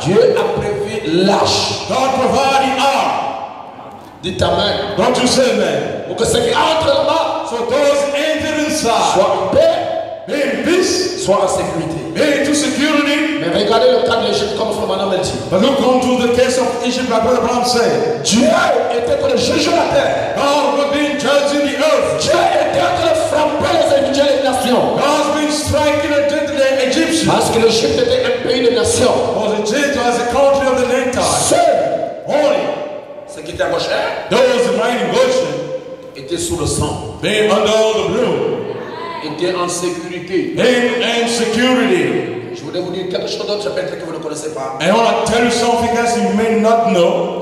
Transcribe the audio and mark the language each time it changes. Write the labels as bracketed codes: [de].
[fr] Dieu a prévu l'arche. [en] God provided the ark. [fr] Dites amen. [en] Don't you say amen? [fr] Pour que ceux qui entrent là-bas, [en] so those enter inside, [fr] soient en paix, [en] be in peace, [fr] soient en sécurité, [en] be into security. [fr] Mais regardez le cas de l'Égypte comme Frère Branham l'a dit. [en] But look onto the case of Egypt, like Brother Branham said. [fr] Dieu était pour le juger la terre. [en] God was being judged in the earth. [fr] Dieu était en train de frapper. nations. [en] God's been striking and tending the Egyptians. [fr] Parce que l'Égypte était un pays de nations. [en] Was Egypt was a country of the Gentiles. [fr] Seul, [en] only, [fr] ceux qui étaient gauchers. [en] Those who were in Goshen [fr] étaient sous le sang. [en] They under the blue. [fr] Étaient en sécurité. [en] They in security. [fr] Je voulais vous dire quelque chose d'autre, peut-être que vous ne connaissez pas. [en] And I want to tell you something else you may not know.